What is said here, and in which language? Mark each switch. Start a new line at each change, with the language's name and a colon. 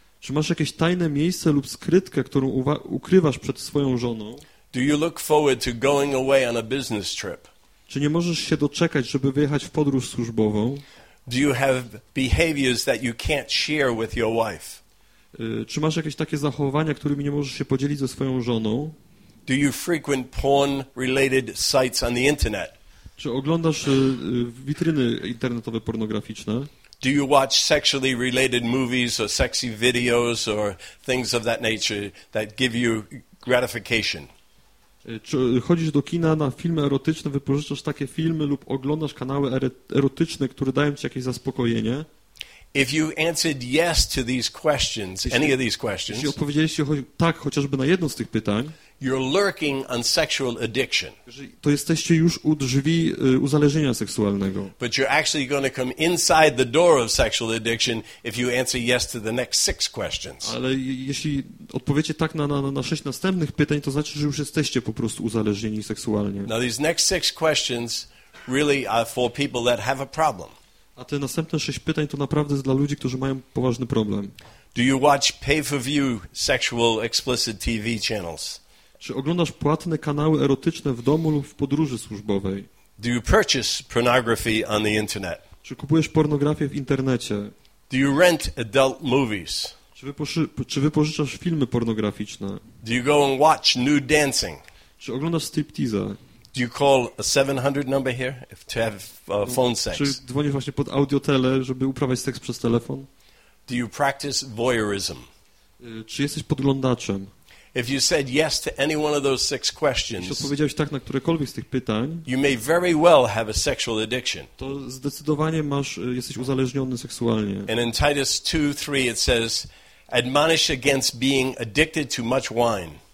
Polish: Czy masz jakieś tajne miejsce lub skrytkę, którą ukrywasz przed swoją żoną?
English: Do you look forward to going away on a business trip?
Polish: Czy nie możesz się doczekać, żeby wyjechać w podróż służbową?
English: Do you have behaviors that you can't share with your wife?
Polish: Czy masz jakieś takie zachowania, którymi nie możesz się podzielić ze swoją żoną?
English: Do you frequent porn-related sites on the internet?
Polish: Czy oglądasz witryny internetowe pornograficzne?
English: Do you watch sexually related movies or sexy videos or things of that nature that give you gratification?
Polish: Czy chodzisz do kina na filmy erotyczne, wypożyczasz takie filmy lub oglądasz kanały erotyczne, które dają ci jakieś zaspokojenie?
English: If you answered yes to these questions, any of these questions,
Polish: jeśli odpowiedzieliście tak chociażby na jedno z tych pytań,
English: You're lurking on sexual addiction.
Polish: To jesteście już u drzwi uzależnienia seksualnego.
English: But you're actually going to come inside the door of sexual addiction if you answer yes to the next six questions.
Polish: Ale jeśli odpowiecie tak na sześć następnych pytań, to znaczy, że już jesteście po prostu uzależnieni seksualnie.
English: Now these next six questions really are for people that have a problem.
Polish: A te następne sześć pytań to naprawdę jest dla ludzi, którzy mają poważny problem.
English: Do you watch pay-per-view sexual explicit TV channels?
Polish: Czy oglądasz płatne kanały erotyczne w domu lub w podróży służbowej?
English: Do you purchase pornography on the internet?
Polish: Czy kupujesz pornografię w internecie?
English: Do you rent adult movies?
Polish: Czy wypożyczasz filmy pornograficzne?
English: Do you go and watch nude dancing?
Polish: Czy oglądasz striptease?
English: Do you call a 700 number here to have phone sex?
Polish: Czy dzwonisz właśnie pod audiotele, żeby uprawiać seks przez telefon?
English: Do you practice voyeurism?
Polish: Czy jesteś podglądaczem?
English: If you said yes to any one of those six questions,
Polish: jeśli odpowiedziałeś tak na którekolwiek z tych pytań,
English: you may very well have a sexual addiction.
Polish: To zdecydowanie jesteś uzależniony seksualnie.
English: And in Titus 2:3 it says, admonish against being addicted to much wine.